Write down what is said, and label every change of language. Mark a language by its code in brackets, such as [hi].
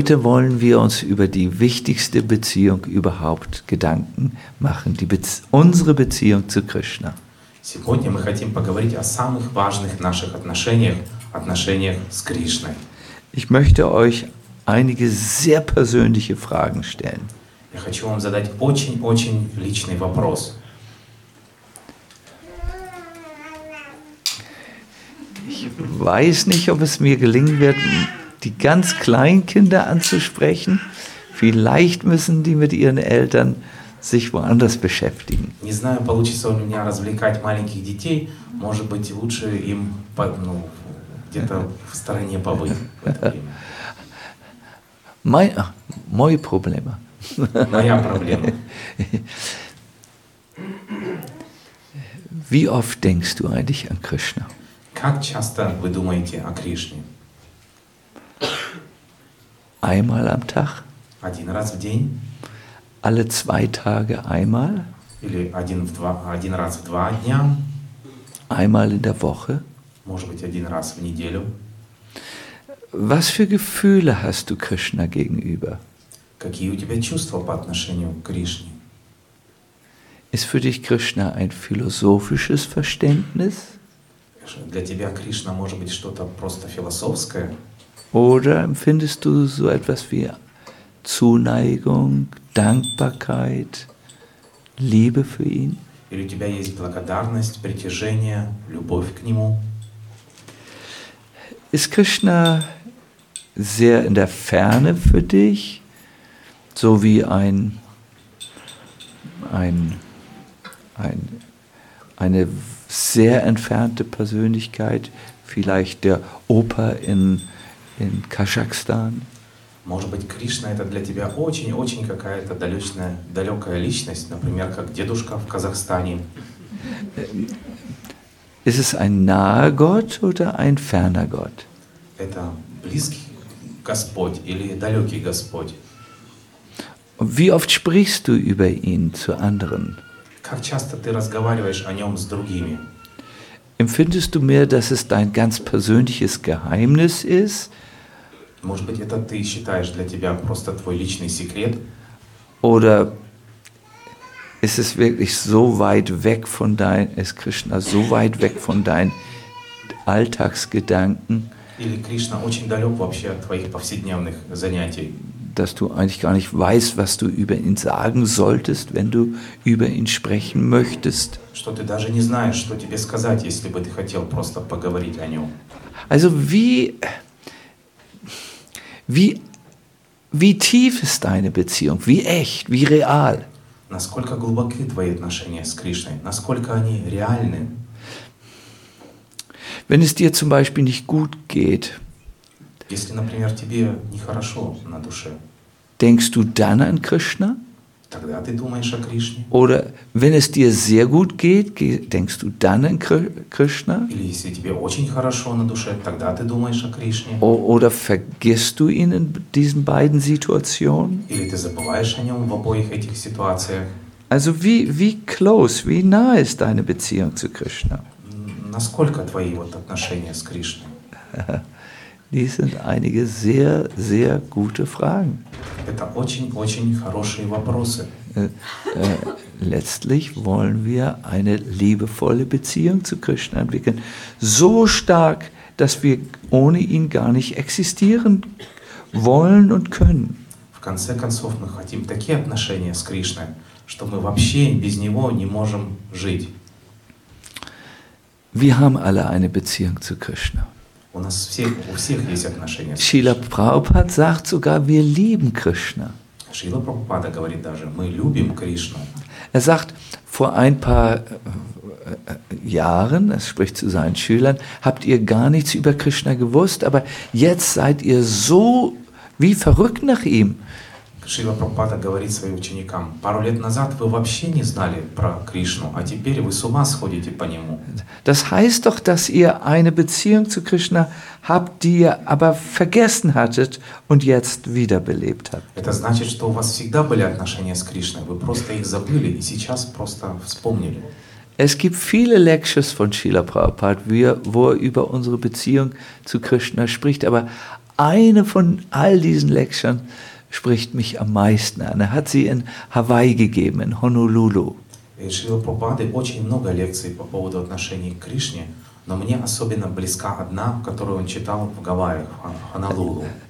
[de] heute wollen wir uns über die wichtigste Beziehung überhaupt Gedanken machen, unsere Beziehung zu Krishna. [ru] Сегодня мы хотим поговорить о самых важных наших отношениях с Кришной. [de] Ich möchte euch einige sehr persönliche Fragen stellen. [ru] Я хочу вам задать очень-очень личный вопрос. [de] Ich weiß nicht, ob es mir gelingen wird, die ganz kleinen Kinder anzusprechen. Vielleicht müssen die mit ihren Eltern sich woanders beschäftigen. [ru] Не знаю, получится у меня развлекать маленьких детей. Может быть, лучше им где-то в стороне побыть. Мои проблемы. Моя проблема. [de] Wie oft denkst du eigentlich an Krishna? [ru] Как часто вы думаете о Кришне? [de] Einmal am Tag? [ru] Один раз в день? [de] Alle zwei Tage einmal? [ru] Или один раз в два дня? [de] Einmal in der Woche? [ru] Может быть, один раз в неделю? [de] Was für Gefühle hast du Krishna gegenüber? [ru] Какие у тебя чувства по отношению к Кришне? [de] Ist für dich Krishna ein philosophisches Verständnis? [ru] Для тебя Кришна может быть что-то просто философское? [de] Oder empfindest du so etwas wie Zuneigung, Dankbarkeit, Liebe für ihn? [ru] Или у тебя есть благодарность, притяжение, любовь к нему? [de] Ist Krishna sehr in der Ferne für dich, so wie eine sehr entfernte Persönlichkeit, vielleicht der Opa in Kasachstan? [ru] Может быть, Кришна это для тебя очень-очень какая-то далекая личность, например, как дедушка в Казахстане. [de] Ist es ein naher Gott oder ein ferner Gott? [ru] Это близкий Господь или далекий Господь? [de] Wie oft sprichst du über ihn zu anderen? [ru] Как часто ты разговариваешь о нем с другими? [de] Empfindest du mehr, dass es dein ganz persönliches Geheimnis ist? [ru] Может быть, это ты считаешь для тебя просто твой личный секрет? [de] Oder ist es wirklich so weit weg von dein, ist Krishna so weit weg von deinen Alltagsgedanken? [ru] Или Кришна очень далек вообще от твоих повседневных занятий? [de] Dass du eigentlich gar nicht weißt, was du über ihn sagen solltest, wenn du über ihn sprechen möchtest. [ru] Что ты даже не знаешь, что тебе сказать, если бы ты хотел просто поговорить о нем. [de] Also wie tief ist deine Beziehung? Wie echt? Wie real? [ru] Насколько глубоки твои отношения с Кришной? Насколько они реальны? [de] Wenn es dir zum Beispiel nicht gut geht, [ru] если, например, тебе нехорошо на душе, [de] denkst du dann an Krishna? [ru] Тогда ты думаешь о Кришне. [de] Oder wenn es dir sehr gut geht, denkst du dann an Krishna? [ru] Или если тебе очень хорошо на душе, тогда ты думаешь о Кришне. [de] Oder vergisst du ihn in diesen beiden Situationen? [ru] Или ты забываешь о нем в обоих этих ситуациях? [de] Also wie close, wie nah ist deine Beziehung zu Krishna? [ru] Насколько твои вот отношения с Кришной? [de] Dies sind einige sehr, sehr gute Fragen. [ru] Это очень, очень хорошие вопросы. [de] Letztlich wollen wir eine liebevolle Beziehung zu Krishna entwickeln. So stark, dass wir ohne ihn gar nicht existieren wollen und können. [ru] В конце концов, мы хотим такие отношения с Кришной, что мы вообще без него не можем жить. [de] Wir haben alle eine Beziehung zu Krishna. [ru] У всех есть отношения с [de] Кришной. Шрила Прабхупада sagt sogar, wir lieben Krishna. [ru] Шрила Прабхупада говорит даже, мы любим Кришну. [de] Er sagt, vor ein paar Jahren, er spricht zu seinen Schülern, habt ihr gar nichts über Krishna gewusst, aber jetzt seid ihr so wie verrückt nach ihm. [ru] Шрила Прабхупада говорит своим ученикам, пару лет назад вы вообще не знали про Кришну, а теперь вы с ума сходите по нему. [de] Das heißt doch, dass ihr eine Beziehung zu Krishna habt, die ihr aber vergessen hattet und jetzt wiederbelebt habt. [ru] Это значит, что у вас всегда были отношения с Кришной, вы просто их забыли и сейчас просто вспомнили. [de] Es gibt viele Lectures von Srila Prabhupada, wo er über unsere Beziehung zu Krishna spricht, aber eine von all diesen Lektionen spricht mich am meisten an. Er hat sie in Hawaii gegeben, in Honolulu. [ru] Шрила Прабхупады очень много лекций по поводу отношений к Кришне, но мне особенно близка одна, которую он читал в Гавайях, в Хонолулу.